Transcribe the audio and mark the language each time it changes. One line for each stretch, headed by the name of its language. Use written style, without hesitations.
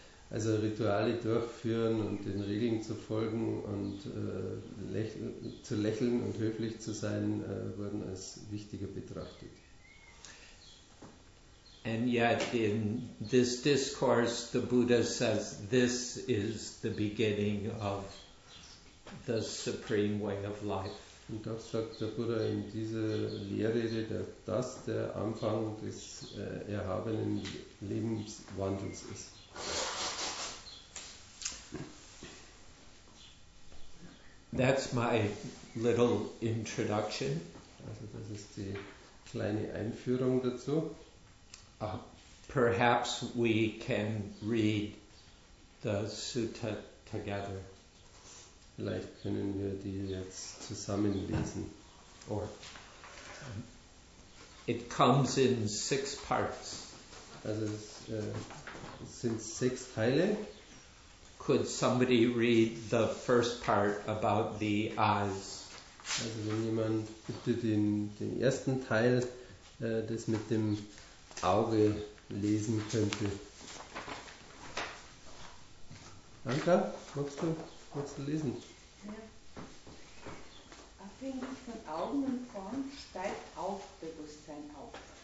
German: Also Rituale durchführen und den Regeln zu folgen und zu lächeln und höflich zu sein, wurden als wichtiger betrachtet.
English: And yet in this discourse the Buddha says this is the beginning of the supreme way of life.
German: Und doch sagt der Buddha in dieser Lehrrede, dass das der Anfang des erhabenen Lebenswandels ist.
English: That's my little introduction.
German: Also das ist die kleine Einführung dazu.
English: Perhaps we can read the sutta together.
German: Vielleicht können wir die jetzt zusammen lesen.
English: Or it comes in six parts.
German: Also es sind sechs Teile.
English: Could somebody read the first part about the eyes?
German: Also wenn jemand bitte den ersten Teil das mit dem Auge lesen könnte. Anka, magst du lesen? Abhängig von Augen und Form steigt auch Bewusstsein auf.